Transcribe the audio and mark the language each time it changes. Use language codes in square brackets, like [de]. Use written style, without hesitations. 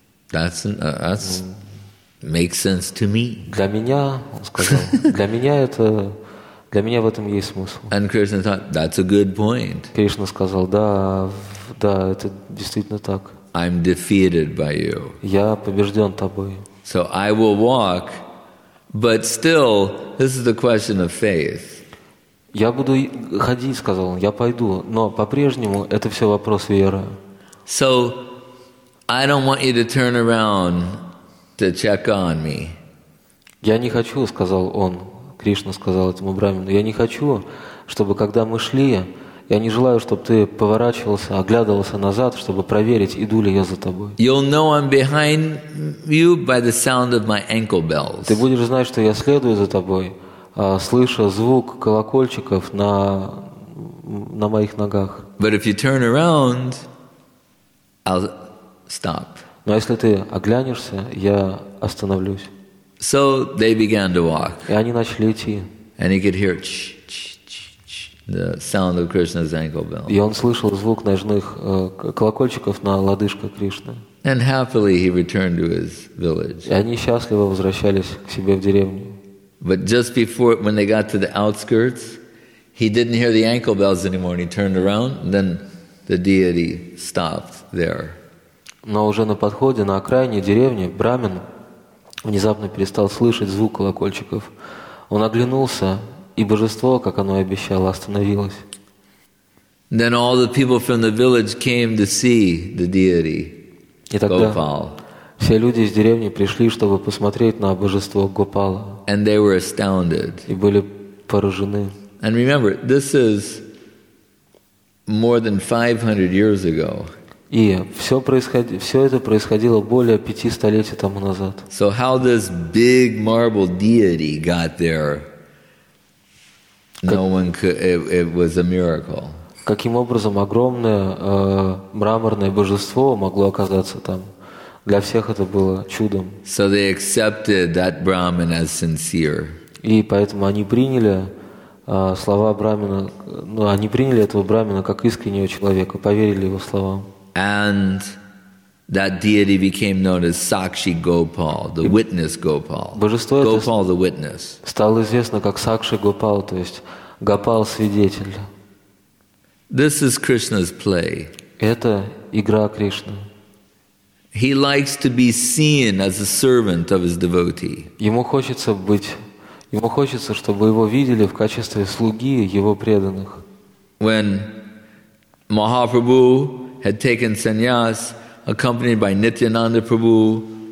[en] That's makes sense to me. [ru] Для меня, он сказал, для меня в этом есть смысл. [en] And Krishna thought, that's a good point. [ru] Кришна сказал, да, да, это действительно так. [en] I'm defeated by you. [ru] Я побежден тобой. [en] So I will walk, but still, this is the question of faith. [ru] Я буду ходить, сказал он, я пойду, но по-прежнему это все вопрос веры. [en] So I don't want you to turn around to check on me. [ru] Я не хочу, сказал он, Кришна сказал этому брамину, я не хочу, чтобы когда мы шли, я не желаю, чтобы ты поворачивался, оглядывался назад, чтобы проверить, иду ли я за тобой. [en] You'll know I'm behind you by the sound of my ankle bells. [ru] Ты будешь знать, что я следую за тобой, слыша звук колокольчиков на моих ногах. [en] But if you turn around, I'll stop. [ru] Но если ты оглянешься, я остановлюсь. [en] So they began to walk. [ru] И они начали идти. [en] And he could hear ch-ch-ch-ch, the sound of Krishna's ankle bell. [ru] И он слышал звук ножных колокольчиков на лодыжках Кришны. [en] And happily he returned to his village. [ru] И они счастливо возвращались к себе в деревню. [en] But just before, when they got to the outskirts, he didn't hear the ankle bells anymore, and he turned around, and then the deity stopped there. [ru] Но уже на подходе, на окраине деревни, брамин внезапно перестал слышать звук колокольчиков. Он оглянулся, и божество, как оно и обещало, остановилось. [en] Then all the people from the village came to see the deity, Gopal. [ru] Все люди из деревни пришли, чтобы посмотреть на божество Гопала. [en] And they were astounded. [ru] И были поражены. [en] And remember, this is more than 500 years ago. [ru] И все это происходило более 5 столетий тому назад. [en] So how this big marble deity got there, no one could, it was a miracle. [ru] Каким образом огромное мраморное божество могло оказаться там? Для всех это было чудом. [en] So they accepted that Brahmin as sincere. [ru] И поэтому они приняли слова брамина, ну, они приняли этого брамина как искреннего человека, поверили его словам. [en] And that deity became known as Sakshi Gopal, the witness Gopal. Gopal the witness. [ru] Стал известно как Сакши Гопал, то есть Гопал свидетель. [en] This is Krishna's play. [ru] Это игра Кришны. [en] He likes to be seen as a servant of his devotee. [ru] Ему хочется, чтобы его видели в качестве слуги его преданных. [en] When Mahaprabhu had taken sannyas, accompanied by Nityananda Prabhu,